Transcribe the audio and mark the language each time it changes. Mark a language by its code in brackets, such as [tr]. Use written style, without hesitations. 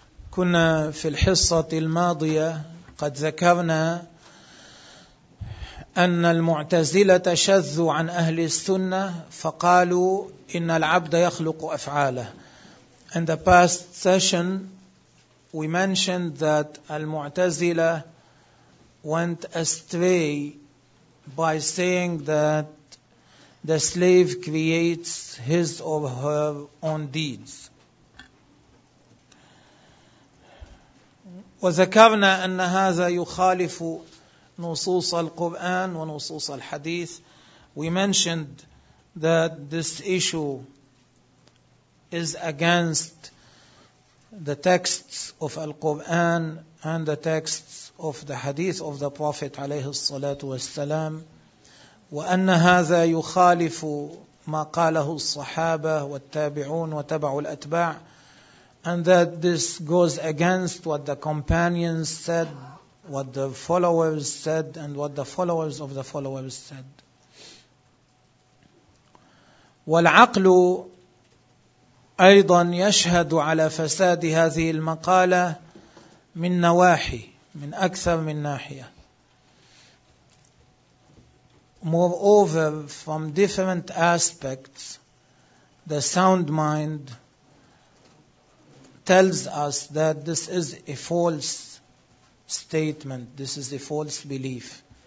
[ar] كنا في الحصة الماضية قد ذكرنا أن المعتزلة شذوا عن أهل السنة فقالوا إن العبد يخلق أفعاله. [en] In the past session we mentioned that المعتزلة went astray by saying that the slave creates his or her own deeds. [ar] وذكرنا أن هذا يخالف نصوص القرآن ونصوص الحديث. [en] We mentioned that this issue is against the texts of Al-Quran and the texts of the hadith of the Prophet [ar] عليه الصلاة والسلام وأن هذا يخالف ما قاله الصحابة والتابعون وتبع الأتباع. [en] And that this goes against what the companions said, what the followers said, and what the followers of the followers said. [ar] والعقل أيضا يشهد على فساد هذه المقالة من نواحي من أكثر من ناحية. [en] Moreover, from different aspects, the sound mind tells us that this is a false statement, this is a false belief.